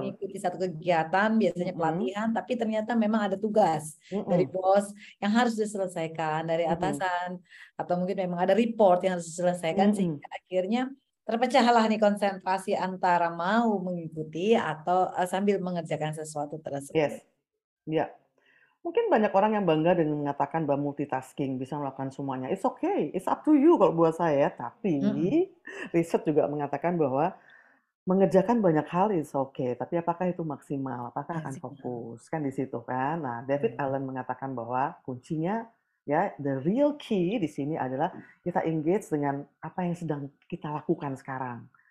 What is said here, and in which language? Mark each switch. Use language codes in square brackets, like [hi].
[id] Mengikuti satu kegiatan, biasanya pelatihan, tapi ternyata memang ada tugas dari bos yang harus diselesaikan, dari atasan, atau mungkin memang ada report yang harus diselesaikan, sehingga akhirnya terpecahlah nih konsentrasi antara mau mengikuti atau sambil mengerjakan sesuatu tersebut. [en] Yes. Ya. [id] Mungkin banyak orang yang bangga dengan mengatakan bahwa multitasking bisa melakukan semuanya. [en] It's okay, it's up to you [id] kalau buat saya. Tapi riset juga mengatakan bahwa mengerjakan banyak hal [en] is okay. [id] Tapi apakah itu maksimal? Apakah akan fokus? Kan di situ kan. Nah, David Allen mengatakan bahwa kuncinya, ya, [en] the real key [id] di sini adalah kita engage dengan apa yang sedang kita lakukan sekarang.